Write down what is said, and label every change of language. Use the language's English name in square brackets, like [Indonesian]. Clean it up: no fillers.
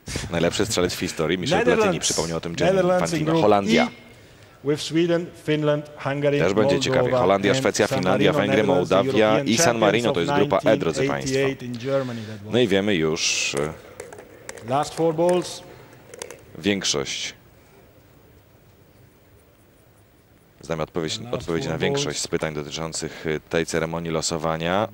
[Polish] Najlepszy strzelec w historii, Michel Platini. Przypomniał o tym Gianni Infantino. Holandia. [English] with Sweden, Finland, Hungary, [Polish] też będzie ciekawie. Holandia, Szwecja, Finlandia, Węgry, Mołdawia i San Marino, to jest grupa E, drodzy Państwo. No i wiemy już [English] last four balls. [Polish] Większość. Znam odpowiedzi na większość z pytań dotyczących tej ceremonii losowania.